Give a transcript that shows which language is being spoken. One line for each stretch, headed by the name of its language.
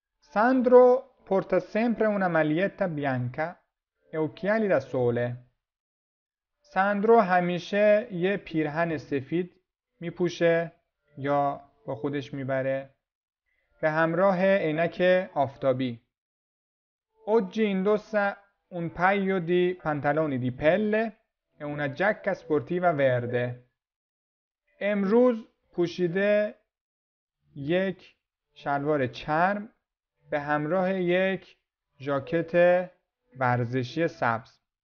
Italian: Sandro porta sempre una maglietta bianca e occhiali da sole.
Persian: Sandro همیشه یه پیرهن سفید میپوشه یا با خودش میبره به همراه عینک آفتابی.
Italian: Oggi indossa un paio di pantaloni di pelle e una giacca sportiva verde.
Persian: امروز پوشیده یک شلوار چرم به همراه یک ژاکت ورزشی سبز.